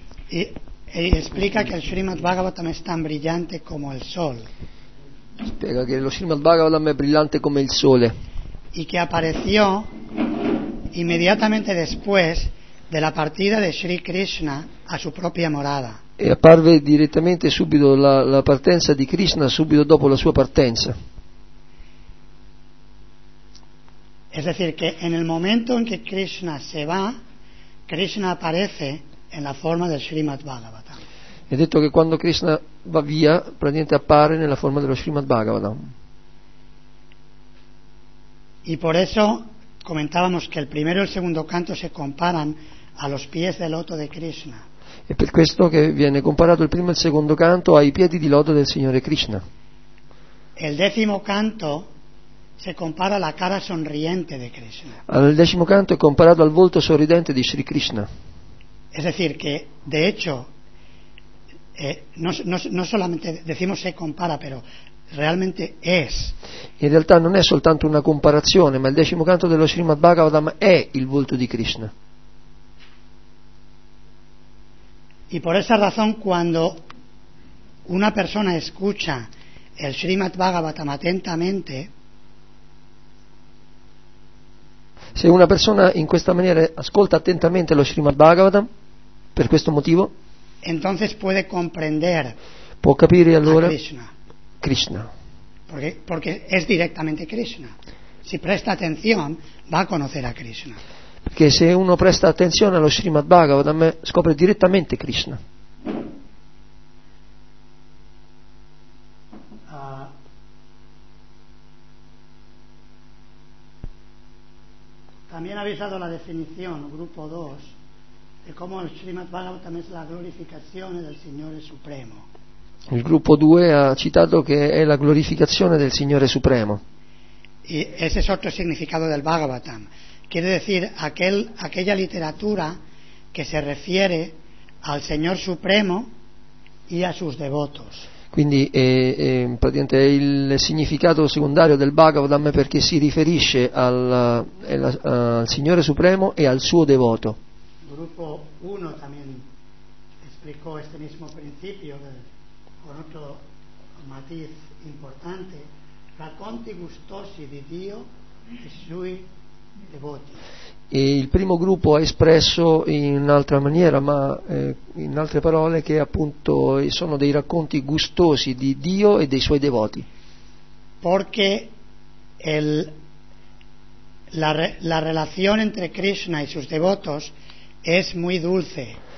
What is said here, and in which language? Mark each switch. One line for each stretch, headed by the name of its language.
Spanish: Y explica que el Srimad Bhagavatam es tan brillante como el sol.
Italian: Spiega che lo Srimad Bhagavatam è brillante come il sole.
Spanish: Y que apareció inmediatamente después de la partida de Sri Krishna a su propia morada.
Italian: E apparve direttamente subito la partenza di Krishna subito dopo la sua partenza.
Spanish: Es decir, que en el momento en que Krishna se va, Krishna aparece en la forma del Srimad Bhagavatam.
Italian: È detto che quando Krishna va via, praticamente appare nella forma dello Srimad Bhagavatam.
Spanish: Y por eso comentábamos que el primero y el segundo canto se comparan a los pies del loto de Krishna.
Italian: E per questo che viene comparato il primo e il secondo canto ai piedi di loto del Signore Krishna.
Spanish: El décimo canto se compara la cara sonriente de Krishna.
Italian: Al decimo canto è comparato al volto sorridente di Sri Krishna.
Spanish: Es decir que de hecho no solamente decimos se compara, pero realmente es.
Italian: In realtà non è soltanto una comparazione, ma il decimo canto dello Srimad Bhagavatam è il volto di Krishna.
Spanish: Y por esa razón cuando una persona escucha el Srimad Bhagavatam atentamente,
Italian: se una persona in questa maniera ascolta attentamente lo Srimad Bhagavatam, per questo motivo,
Spanish: entonces puede comprender,
Italian: può capire allora
Spanish: Krishna.
Italian: Krishna. Perché è direttamente Krishna. Si presta attenzione, va a conoscere a Krishna. Perché se uno presta attenzione allo Srimad Bhagavatam, scopre direttamente Krishna.
Spanish: También habéis dado la definición, grupo 2, de cómo el Srimad Bhagavatam es la glorificación del
Italian: Signore Supremo. Il gruppo 2 ha citato che è la glorificazione del Signore Supremo.
Spanish: Y ese es otro significado del Bhagavatam. Quiere decir aquella literatura que se refiere al Señor Supremo y a sus devotos.
Italian: Quindi praticamente è il significato secondario del Bhagavatam perché si riferisce al Signore Supremo e al suo devoto.
Spanish: Gruppo 1 también explicó este mismo principio con otro matiz importante,
Italian: racconti gustosi di Dio e sui devoti. E il primo gruppo ha espresso in un'altra maniera, ma in altre parole, che appunto sono dei racconti gustosi di Dio e dei suoi devoti. Perché la relazione tra Krishna e i suoi devoti è molto dolce.